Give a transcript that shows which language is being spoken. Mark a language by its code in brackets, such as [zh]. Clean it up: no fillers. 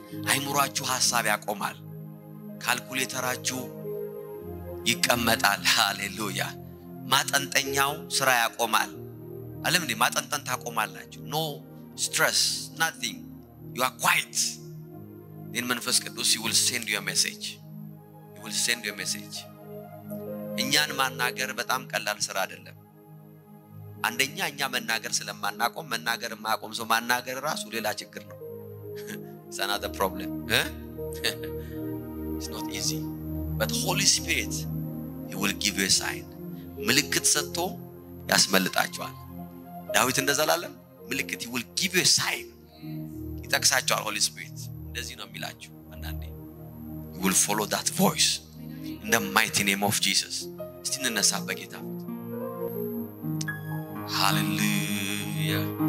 [am] አይምሯችሁ ሐሳብ ያቆማል። ካልኩሌተራችሁ ይቀመጣል። ሃሌሉያ። ማጠንጠኛው ስራ ያቆማል። ዓለም ዲ ማጠንጠን ታቆማላችሁ። [en] ኖ ስትረስ ናቲንግ ዩ አር ኳይት ኢን መንፈስ ቅዱስ ዩ ዊል ሴንድ ዩ ሜሴጅ [am] ዩ ዊል ሴንድ ዩ ሜሴጅ። እኛን ማናገር በጣም ቀላል ስራ አይደለም። አንደኛ እኛ መናገር ስለማናቆም መናገር ማቆም ሰው ማናገር ራሱ ሌላ ችግር ነው። [en] It's another problem. It's not easy. But Holy Spirit he will give you a sign. [am] ምልክት ሰጥቶ ያስመልጣቸዋል። ዳዊት እንደዛላለ ምልክት [en] he will give you a sign. [am] ይጠቅሳቸዋል [en] Holy Spirit. [am] እንደዚህ ነው የሚላቸው አንዳንዴ። [en] He will follow that voice in the mighty name of Jesus. [am] እስቲ እንነሳ በጌታ Hallelujah.